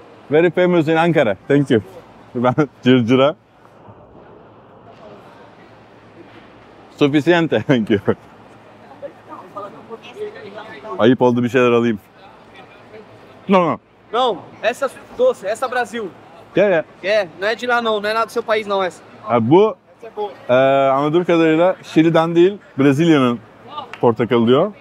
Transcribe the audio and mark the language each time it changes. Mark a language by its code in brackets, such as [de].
[en] Very famous in Ankara. Thank you. [tr] Ben cırcıra. [pt] Suficiente. [en] Thank you. [tr] Ayıp oldu, bir şeyler alayım. [en] No, no. [pt] No, essa doce, essa Brasil. [en] Yeah, yeah. [pt] Yeah, não é de lá não, não é lá do seu país não, essa. [tr] Bu, anladığım kadarıyla Şili'den değil, Brezilya'nın portakalı diyor.